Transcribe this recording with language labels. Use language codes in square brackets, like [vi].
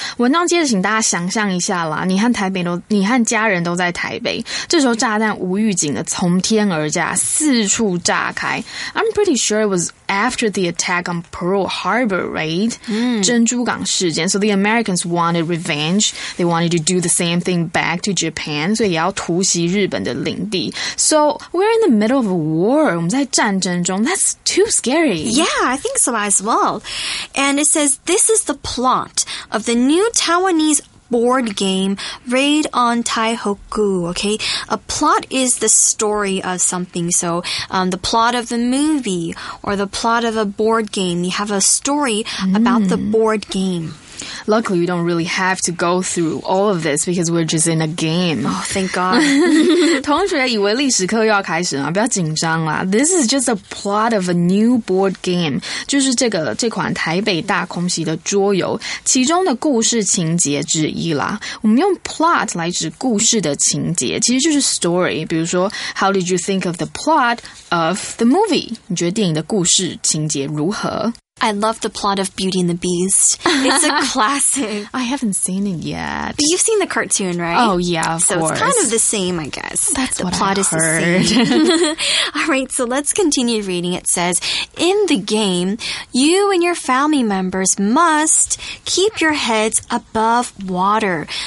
[zh] 文章接着请大家想象一下啦，你和家人都在台北，这时候炸弹无预警的从天而降，四处炸开。 [en] I'm pretty sure it was after the attack on Pearl Harbor, right? 珍珠港事件。So the Americans wanted revenge. They wanted to do the same thing back to Japan. [zh] 所以也要突袭日本的领地。 [en] So we're in the middle of a war. [zh] 我们在战争中。 [en] That's too scary. Yeah, I think so as well. And it says, this is the plot of the new Taiwanese board game, Raid on Taihoku, okay? A plot is the story of something. So, the plot of the movie or the plot of a board game. You have a story about the board game. Luckily, we don't really have to go through all of this because we're just in a game. Oh, thank God. [zh] 同学以为历史课又要开始了，不要紧张啦。 [en] This is just a plot of a new board game. [zh] 就是这款台北大空袭的桌游，其中的故事情节之一啦。我们用 plot 来指故事的情节，其实就是 story. [en] 比如说 how did you think of the plot of the movie? [zh] 你觉得电影的故事情节如何？ [en] I love the plot of Beauty and the Beast. It's a classic. I haven't seen it yet. But you've seen the cartoon, right? Oh, yeah, of course. So it's kind of the same, I guess. That's the plot is the same. All right, so let's continue reading. It says, in the game, you and your family members must keep your heads above water.